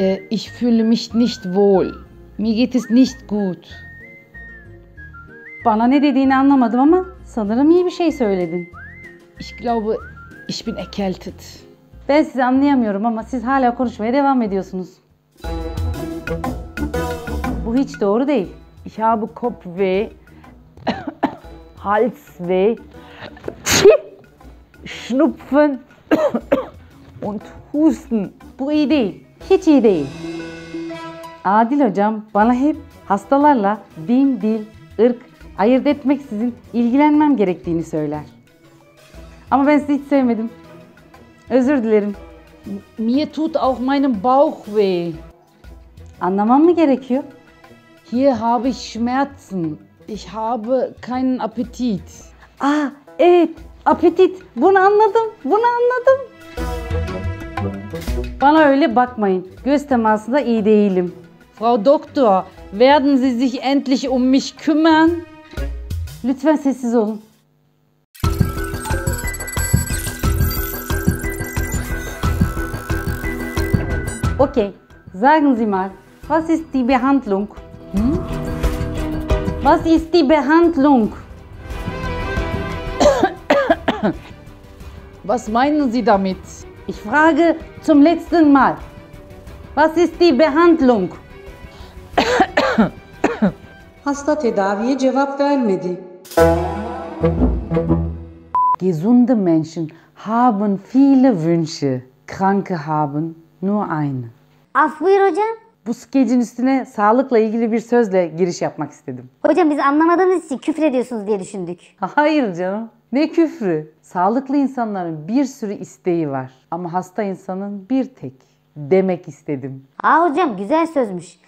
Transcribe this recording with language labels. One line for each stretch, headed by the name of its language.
German: Ich fühle mich nicht wohl. Mir geht es nicht gut.
Turkish: Bana ne dediğini anlamadım ama sanırım iyi bir şey söyledin.
German: Ich glaube, ich bin erkältet.
Turkish: Ben sizi anlayamıyorum ama siz hala konuşmaya devam ediyorsunuz. Bu hiç doğru değil.
German: Ich habe Kopfweh, Halsweh, Schnupfen und Husten.
Turkish: Bu iyi değil. Hiç iyi değil. Adil hocam bana hep hastalarla din, dil, ırk ayırt etmeksizin ilgilenmem gerektiğini söyler. Ama ben sizi hiç sevmedim. Özür dilerim.
German: Mir tut auch meinen Bauch weh.
Turkish: Anlamam mı gerekiyor?
German: Hier habe ich Schmerzen. Ich habe keinen Appetit.
Turkish: Ah, evet. Appetit. Bunu anladım. Bunu anladım. Bana öyle bakmayın. Göz temasında iyi değilim.
German: Frau Doktor, werden Sie sich endlich um mich kümmern?
Turkish: Lütfen sessiz olun.
German: Okay, sagen Sie mal, was ist die Behandlung? Was ist die Behandlung? Was meinen Sie damit? Ich frage zum letzten Mal. Was ist die Behandlung?
Turkish: Hasta tedaviye cevap vermedi.
German: Gesunde Menschen haben viele Wünsche, Kranke haben nur eine.
Turkish: Af buyur hocam. Bu skecin üstüne sağlıkla ilgili bir sözle giriş yapmak istedim. Hocam biz anlamadığınız için küfrediyorsunuz diye düşündük. Hayır canım. Ne küfrü? Sağlıklı insanların bir sürü isteği var. Ama hasta insanın bir tek. Demek istedim. Aa hocam güzel sözmüş.